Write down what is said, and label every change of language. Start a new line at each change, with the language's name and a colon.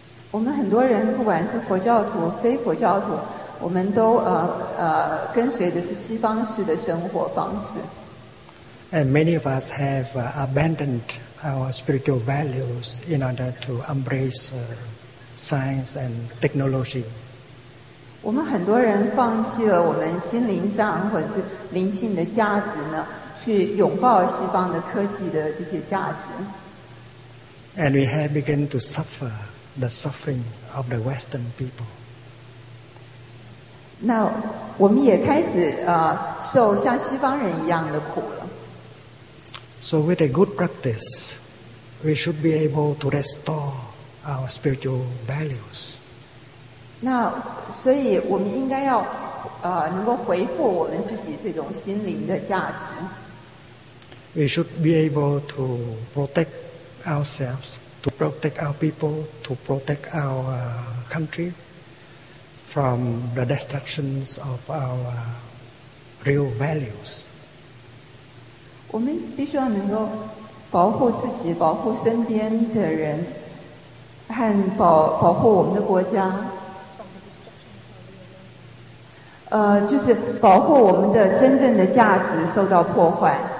Chinese: 我们很多人不管是佛教徒、非佛教徒，我们都跟随的是西方式的生活方式。
English: And many of us have abandoned our spiritual values in order to embrace science and technology.
Chinese: 我们很多人放弃了我们心灵上或者是灵性的价值呢，去拥抱西方的科技的这些价值。
English: And we have begun to suffer the suffering of the Western people.
Chinese: 那我们也开始受像西方人一样的苦了。
English: So with a good practice, we should be able to restore our spiritual values.
Chinese: 那所以我们应该要能够恢复我们自己这种心灵的价值。
English: We should be able to protect ourselves, to protect our people, to protect our country from the destructions of our real values.
Chinese: 我们必须要能够保护自己，保护身边的人，和保护我们的国家。就是保护我们的真正的价值受到破坏。